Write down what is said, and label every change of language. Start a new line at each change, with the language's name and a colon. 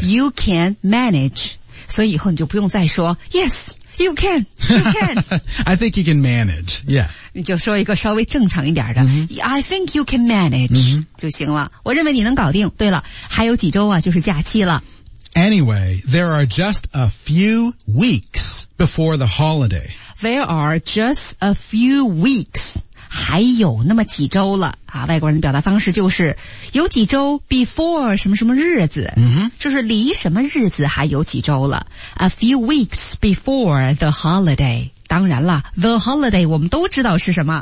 English: You can manage.
Chinese: 所以以后你就不用再说
English: yes, you can, you can. I think you can manage, yeah.
Chinese: 你就说一个稍微正常一点的、
English: I think you can manage、
Chinese: 就行了，我认为你能搞定。对了，还有几周啊，就是假期了。
English: Anyway, there are just a few weeks before the holiday. There are just a few weeks.
Chinese: 还有那么几周了啊！外国人的表达方式就是有几周 before 什么什么日子、就是离什么日子还有几周了。
English: A few weeks before the holiday.
Chinese: 当然了
English: ,the holiday
Chinese: 我们都知道是什么。